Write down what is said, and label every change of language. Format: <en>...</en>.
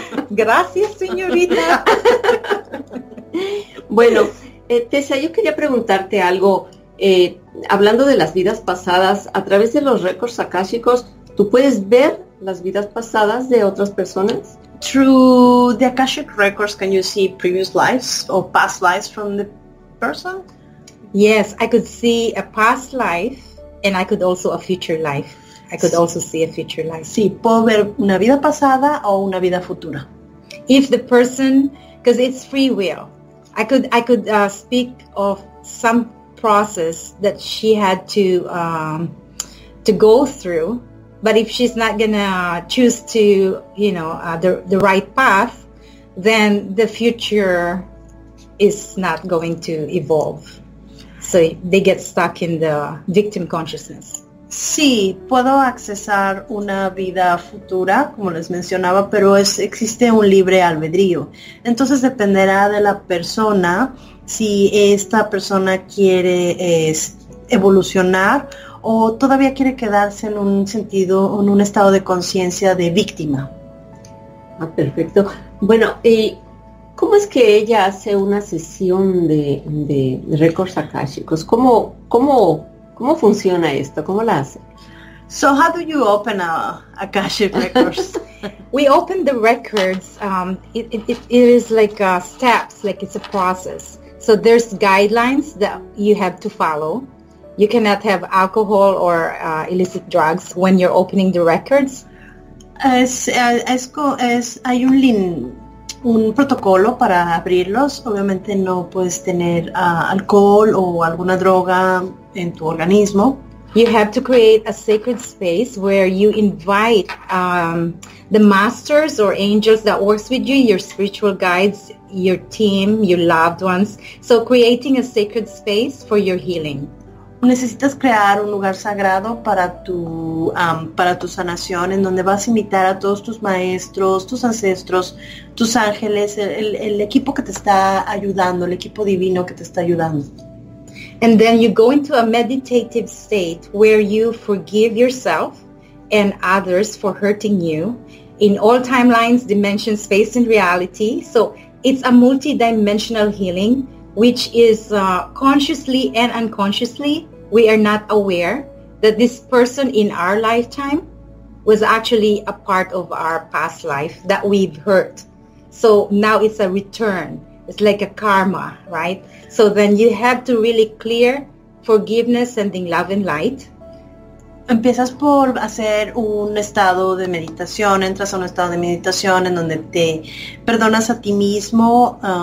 <es>Gracias, señorita. Bueno, Tessa, yo quería preguntarte algo. Hablando de las vidas pasadas, a través de los récords akáshicos, ¿tú puedes ver las vidas pasadas de otras personas?</es> <en>Through the Akashic records, can you see previous lives or past lives from the person? Yes, I could see a past life and I could also a future life. I could also see a future life.</en> <es>Sí, puedo ver una vida pasada o una vida futura.</es> <en>If the person, because it's free will, I could speak of some process that she had to go through. But if she's not gonna choose to, you know, the right path, then the future is not going to evolve. So they get stuck in the victim consciousness.</en> <es>Sí, puedo accesar una vida futura, como les mencionaba, pero existe un libre albedrío. Entonces dependerá de la persona si esta persona quiere evolucionar o todavía quiere quedarse en un sentido, en un estado de conciencia de víctima. Ah, perfecto. Bueno, ¿y cómo es que ella hace una sesión de récords akáshicos? ¿Cómo funciona esto? ¿Cómo la hace?</es> <en>So how do you open a Akashic records? We open the records. It is like steps, like it's a process. So there's guidelines that you have to follow. You cannot have alcohol or illicit drugs when you're opening the records.</en> <es>Hay un protocolo para abrirlos. Obviamente no puedes tener alcohol o alguna droga en tu organismo.</es> <en>You have to create a sacred space where you invite the masters or angels that works with you, your spiritual guides, your team, your loved ones. So creating a sacred space for your healing.</en> <es>Necesitas crear un lugar sagrado para tu sanación, en donde vas a invitar a todos tus maestros, tus ancestros, tus ángeles, el equipo que te está ayudando, el equipo divino que te está ayudando.</es> <en>And then you go into a meditative state where you forgive yourself and others for hurting you in all timelines, dimensions, space and reality. So it's a multidimensional healing, which is consciously and unconsciously, we are not aware that this person in our lifetime was actually a part of our past life that we've hurt. So now it's a return. It's like a karma, right? So then you have to really clear forgiveness, sending love and light.</en> <es>Empiezas por hacer un estado de meditación, entras a un estado de meditación en donde te perdonas a ti mismo,</es>